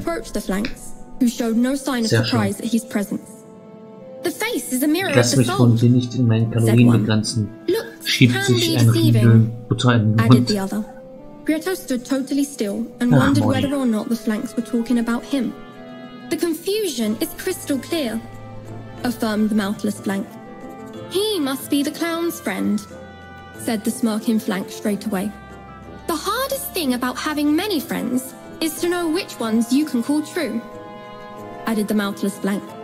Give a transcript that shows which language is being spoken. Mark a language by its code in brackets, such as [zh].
[en] Preto approached the flanks, who showed no sign of surprise at his presence. The face is a mirror of the soul. [de] Lass mich von dir nicht in meinen Kalorien begrenzen. Schiebt sich ein Riegel Butter in den Mund. [en] Preto stood totally still and wondered whether or not the flanks were talking about him. The confusion is crystal clear, affirmed the mouthless flank. He must be the clown's friend, said the smirking flank straight away. The hardest thing about having many friends is to know which ones you can call true, added the mouthless flank.